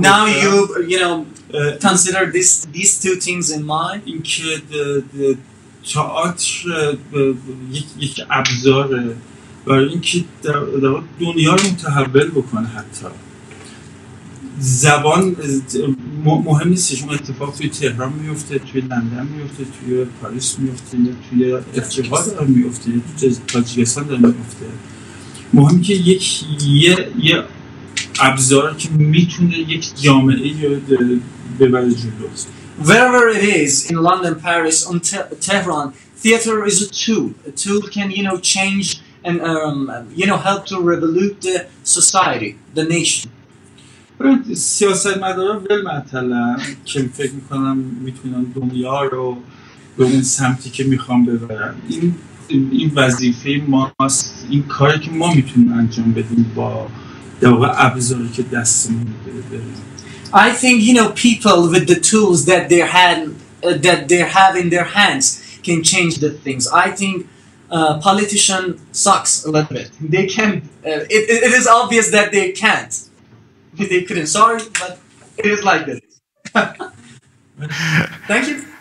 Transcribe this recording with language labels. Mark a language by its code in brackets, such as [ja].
[en] now you know consider these two things in mind. [fa] تئاتر یک ابزار برای اینکه در واقع دنیا رو متحول بکنه، حتی زبان مهم نیست، چون اتفاق توی تهران میفته، توی لندن میفته، توی پاریس میفته، توی افغانستان هم میفته، توی تاجیکستان هم میفته. مهم اینه که یه ابزار که میتونه یک جامعه رو ببره جلو. [en] Wherever it is, in London, Paris, on Tehran, theater is a tool. A tool can, you know, change and, you know, help to revolute the society, the nation. [fa] سیاستمداران ول معطلن که فکر میکنن میتونن دنیا رو به اون سمتی که میخوان ببرن. این وظیفه ماست، این کاری که ما میتونیم انجام بدیم با در واقع ابزاری که دستمون بده. [en] I think, you know, people with the tools that they had, that they have in their hands, can change the things. I think politician sucks a little bit. They can. It is obvious that they can't. They couldn't. Sorry, but it is like this. Thank you.